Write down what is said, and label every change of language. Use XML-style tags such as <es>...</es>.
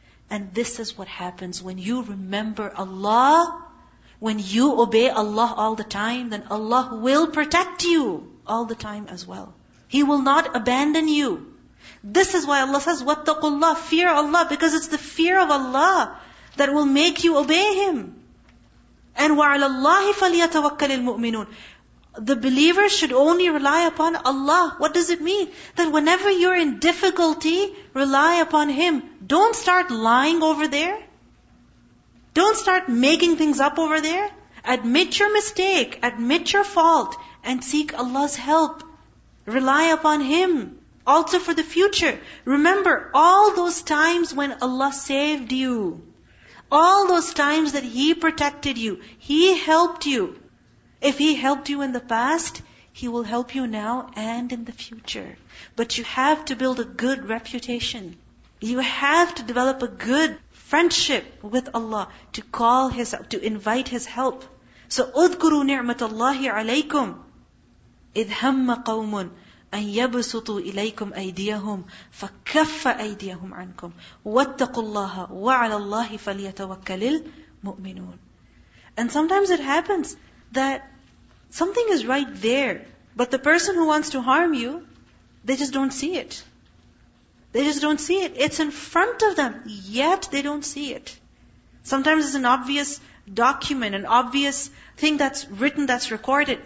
<en>And this is what happens when you remember Allah, when you obey Allah all the time, then Allah will protect you all the time as well. He will not abandon you. This is why Allah says, وَاتَّقُوا اللَّهِ, fear Allah, because it's the fear of Allah that will make you obey Him.</en> <ar>And وَعَلَى اللَّهِ فَلْيَتَوَكَّلِ الْمُؤْمِنُونَ.</ar> <en>The believer should only rely upon Allah. What does it mean? That whenever you're in difficulty, rely upon Him. Don't start lying over there. Don't start making things up over there. Admit your mistake, admit your fault, and seek Allah's help. Rely upon Him. Also for the future. Remember all those times when Allah saved you. All those times that He protected you. He helped you. If He helped you in the past, He will help you now and in the future. But you have to build a good reputation. You have to develop a good friendship with Allah to call His help, to invite His help.</en> <ar>So, اذكروا نعمة الله عليكم إذ هم قوم أن يبسطوا إليكم أيديهم فكف أيديهم عنكم واتقوا الله وعلى الله فليتوكل المؤمنون.</ar> <en>And sometimes it happens that something is right there, but the person who wants to harm you, they just don't see it. They just don't see it. It's in front of them, yet they don't see it. Sometimes it's an obvious document, an obvious thing that's written, that's recorded.</en>